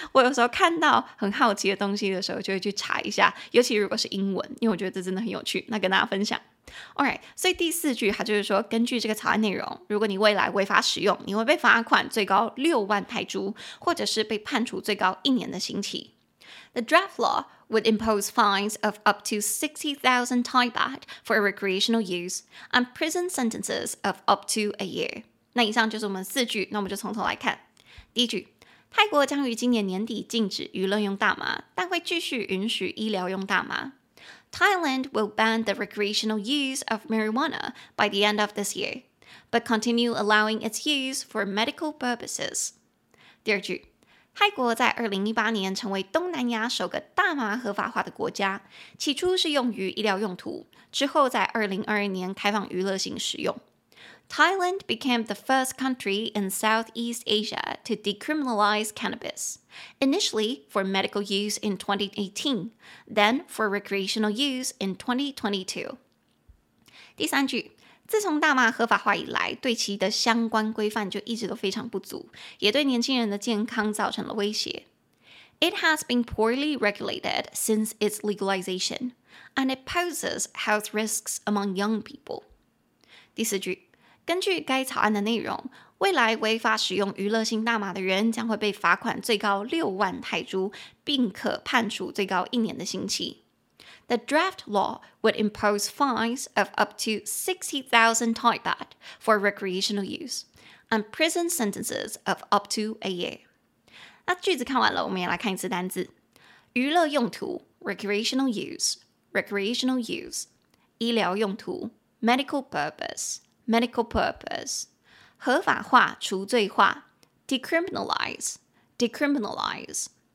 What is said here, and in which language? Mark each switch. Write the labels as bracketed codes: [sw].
[zh] 我有时候看到很好奇的东西的时候就会去查一下，尤其如果是英文，因为我觉得这真的很有趣，那跟大家分享。 Alright， 所以第四句它就是说，根据这个草案内容，如果你未来违法使用，你会被罚款最高60,000泰铢，或者是被判处最高1年的刑期。 [en] The draft law would impose fines of up to 60,000 Thai baht for recreational use and prison sentences of up to a year. [zh] 那以上就是我们四句，那我们就从头来看。第一句，泰国将于今年年底禁止娱乐用大麻，但会继续允许医疗用大麻。 [en] Thailand will ban the recreational use of marijuana by the end of this year, but continue allowing its use for medical purposes. [zh] 第二句，泰国在2018年成为东南亚首个大麻合法化的国家，起初是用于医疗用途，之后在2022年开放娱乐性使用。 [en] Thailand became the first country in Southeast Asia to decriminalize cannabis, initially for medical use in 2018, then for recreational use in 2022. [zh] 第三句，自从大麻合法化以来，对其的相关规范就一直都非常不足，也对年轻人的健康造成了威胁。 [en] It has been poorly regulated since its legalization, and it poses health risks among young people. [zh] 第四句，根据该草案的内容，未来违法使用娱乐性大麻的人将会被罚款最高60,000泰铢，并可判处最高1年的刑期。 [en] The draft law would impose fines of up to 60,000 Thai baht for recreational use and prison sentences of up to a year. [zh] 那句子看完了，我们也来看一次单字。娱乐用途 [en] recreational use, recreational use. [zh] 医疗用途 [en] medical purpose,medical purpose， [zh] 合法化、除罪化 [en] ，decriminalize， decriminalize。